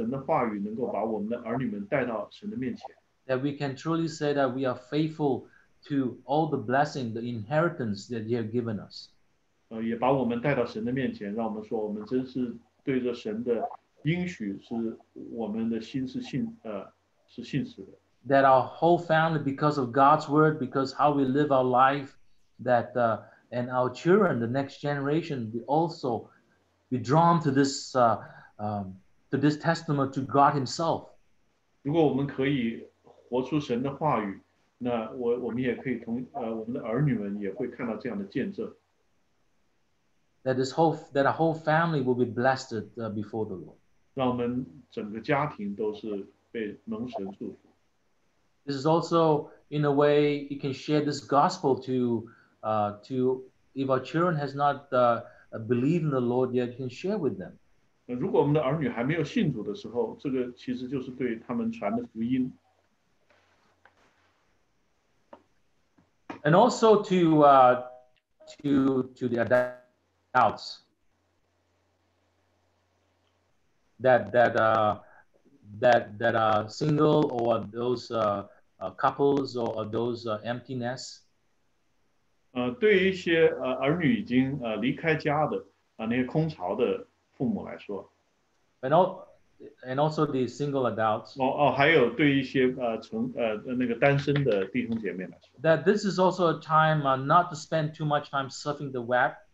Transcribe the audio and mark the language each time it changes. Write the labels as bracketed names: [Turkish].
[Chinese] 我们愿意我们刚才读到的那些神的话语能够把我们的儿女们带到神的面前。 [English] That we can truly say that we are faithful to all the blessing, the inheritance that he has given us. [Chinese] 也把我们带到神的面前, 让我们说我们真是对着神的应许是我们的心是信, 是信实的。 [English] That our whole family, because of God's word, because how we live our life, that and our children, the next generation, we also be drawn to this testimony to God Himself. [Chinese] 如果我们可以活出神的话语, 那我们也可以同, 我们的儿女们也会看到这样的见证。 [English] That our whole family will be blessed before the Lord. [Chinese] 让我们整个家庭都是被蒙神祝福。 [English] This is also, in a way, you can share this gospel to if our children has not believed in the Lord yet, you can share with them. And also to the adults that are single or those couples or those empty nests. [Chinese] 对于一些 儿女已经 离开家的 那些空巢的父母来说 [English] and also the single adults. [Chinese] 还有对一些 那个单身的弟兄姐妹来说 [English] that this is also a time not to spend too much time surfing the web.